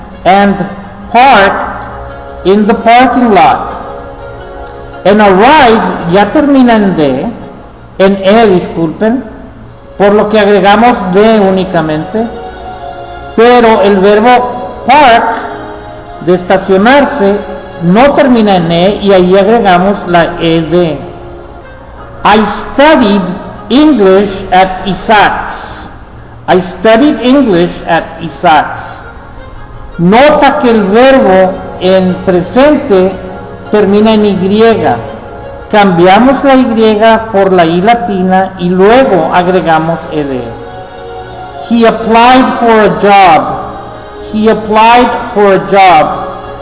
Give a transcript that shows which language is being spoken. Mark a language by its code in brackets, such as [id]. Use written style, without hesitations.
[en] and parked in the parking lot. And arrive [es] ya termina en D, en E, disculpen, por lo que agregamos D únicamente, pero el verbo park, de estacionarse, no termina en E y ahí agregamos la ED. [en] I studied English at Isaac's. I studied English at Isaac's. [es] Nota que el verbo en presente termina en Y. Cambiamos la Y por la I latina y luego agregamos ED. [en] He applied for a job. He applied for a job.